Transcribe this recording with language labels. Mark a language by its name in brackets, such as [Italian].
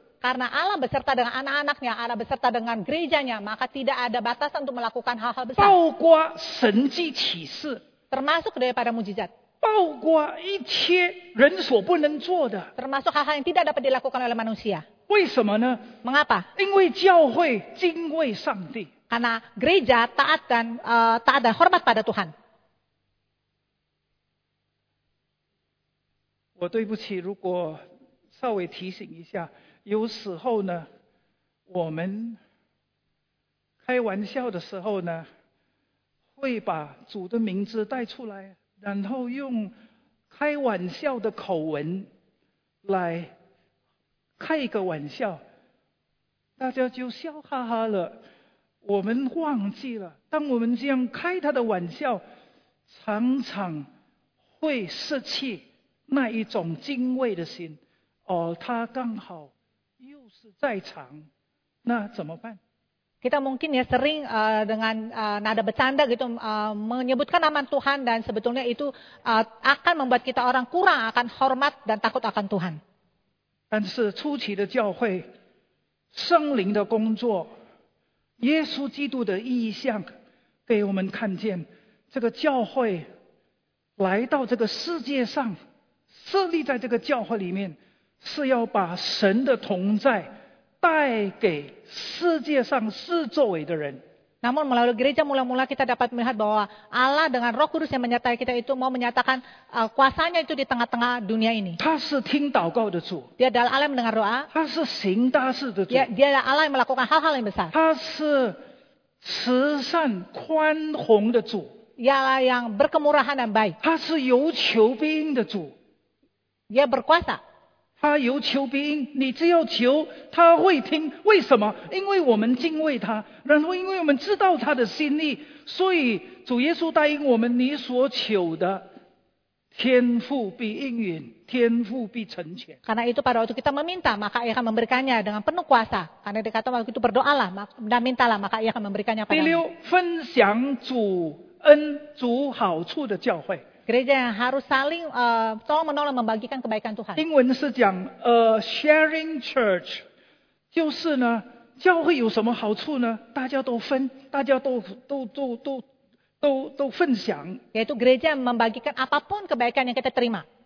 [Indonesian] Karena Allah beserta dengan anak-anaknya, Allah beserta dengan gerejanya, maka tidak ada batasan untuk melakukan hal-hal besar. [Chinese] 包括神迹奇事。 [Indonesian] Termasuk daripada mujizat. [Chinese] 包括一切人所不能做的 [Indonesian] termasuk hal-hal yang tidak dapat dilakukan oleh manusia [Chinese] 为什么呢 [Indonesian] mengapa [Chinese] 因为教会敬畏上帝 [Indonesian] karena gereja taat dan taat dan hormat pada Tuhan [Chinese] 我对不起如果稍微提醒一下有时候呢我们开玩笑的时候呢会把主的名字带出来然后用开玩笑的口吻来开一个玩笑，大家就笑哈哈了。我们忘记了，当我们这样开他的玩笑，常常会失去那一种敬畏的心。而他刚好又是在场，那怎么办？ [Indonesian] Kita mungkin ya sering dengan nada bercanda gitu menyebutkan nama Tuhan dan sebetulnya itu akan membuat kita orang kurang akan hormat dan takut akan Tuhan. [Chinese] 但是初期的教会圣灵的工作耶稣基督的意象给我们看见这个教会来到这个世界上设立在这个教会里面是要把神的同在带给世界上世周围的人。 [Indonesian] Namun melalui gereja mula-mula kita dapat melihat bahwa Allah dengan Roh Kudus yang menyertai kita itu mau menyatakan kuasanya itu di tengah-tengah dunia ini. [Chinese] 他是听祷告的主。 [Indonesian] Dia adalah Allah yang mendengar doa. [Chinese] 他是行大事的主。 [Indonesian] Dia adalah Allah yang melakukan hal-hal yang besar. [Chinese] 他是慈善宽宏的主。 [Indonesian] Dia adalah yang berkemurahan dan baik. [Chinese] 他是有求必应的主。 [Indonesian] Dia berkuasa. [Chinese] 他有求必应，你只要求，他会听。为什么？因为我们敬畏他，然后因为我们知道他的心意，所以主耶稣答应我们：你所求的，天父必应允，天父必成全。 [Indonesian] Karena itu pada waktu kita meminta, maka Ia akan memberikannya dengan penuh kuasa. Karena dikatakan waktu itu berdoalah dan mintalah, maka Ia akan memberikannya. [Chinese] 第六，分享主恩、主好处的教会。 [Indonesian] Gereja yang harus saling tolong menolong membagikan kebaikan Tuhan. [Chinese] 英文是讲 sharing church， 就是呢，教会有什么好处呢？大家都分，大家都分享。 [Indonesian] Yaitu gereja membagikan apapun kebaikan yang kita terima.